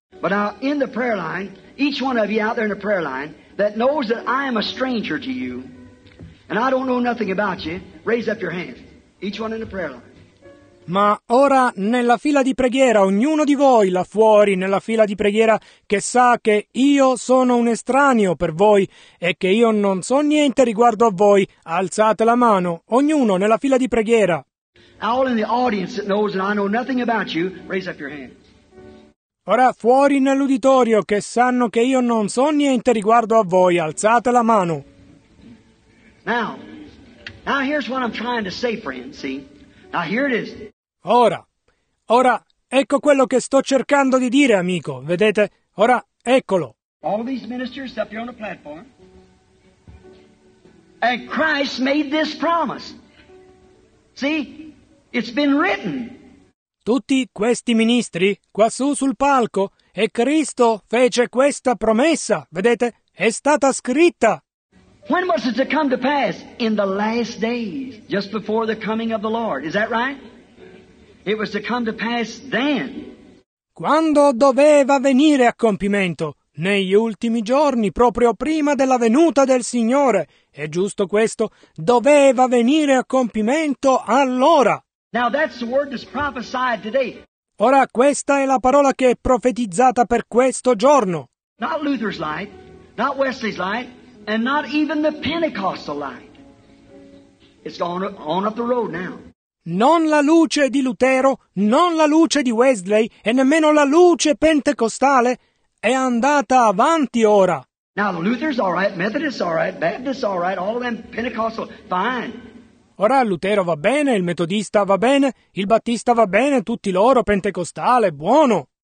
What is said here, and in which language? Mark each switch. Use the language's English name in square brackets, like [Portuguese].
[English] But now in the prayer line, each one of you out there in the prayer line that knows that I am a stranger to you and I don't know nothing about you, raise up your hand. Each one in the prayer line. [Italian] Ma ora nella fila di preghiera, ognuno di voi là fuori nella fila di preghiera che sa che io sono un estraneo per voi e che io non so niente riguardo a voi, alzate la mano, ognuno nella fila di preghiera. [English] All in the audience that knows that I know nothing about you, raise up your hand. [Italian] Ora fuori nell'uditorio che sanno che io non so niente riguardo a voi, alzate la mano. [English] Now here's what I'm trying to say, friend, see? Now here it is. [Italian] Ora ecco quello che sto cercando di dire, amico, vedete? Ora eccolo. [English] All these ministers up here on the platform. And Christ made this promise. See? It's been written. [Italian] Tutti questi ministri quassù sul palco e Cristo fece questa promessa, vedete? È stata scritta. [English] When was it to come to pass? In the last days, just before the coming of the Lord. Is that right? It was to come to pass then. [Italian] Quando doveva venire a compimento? Negli ultimi giorni, proprio prima della venuta del Signore. È giusto questo? Doveva venire a compimento allora. [English] Now that's the word that's prophesied today. [Italian] Ora questa è la parola che è profetizzata per questo giorno. [English] Not Luther's light, not Wesley's light, and not even the Pentecostal light. It's gone on up the road now. [Italian] Non la luce di Lutero, non la luce di Wesley e nemmeno la luce pentecostale è andata avanti ora. [English] Now Luther's all right, Methodist's all right, Baptist's all right, all of them Pentecostal, fine. [Italian] Ora Lutero va bene, il metodista va bene, il battista va bene, tutti loro, pentecostale, buono.